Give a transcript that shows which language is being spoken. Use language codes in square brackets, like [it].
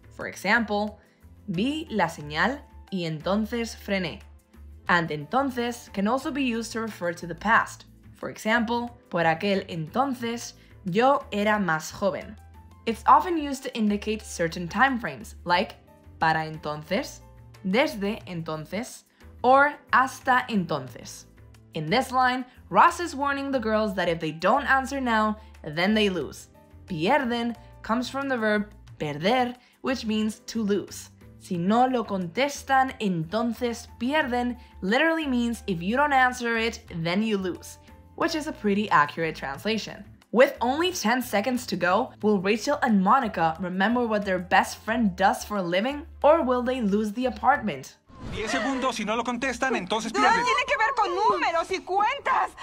[en] For example, [es] vi la señal y entonces frené. [en] And entonces can also be used to refer to the past. For example, [es] por aquel entonces yo era más joven. [en] It's often used to indicate certain timeframes, like para entonces, desde entonces, or hasta entonces. In this line, Ross is warning the girls that if they don't answer now, then they lose. Pierden comes from the verb perder, which means to lose. [es] Si no lo contestan, entonces pierden [en] literally means if you don't answer it, then you lose, which is a pretty accurate translation. With only 10 seconds to go, will Rachel and Monica remember what their best friend does for a living, or will they lose the apartment? [es] 10 segundos, si no lo contestan, entonces pierden. No tiene que ver con números y cuentas.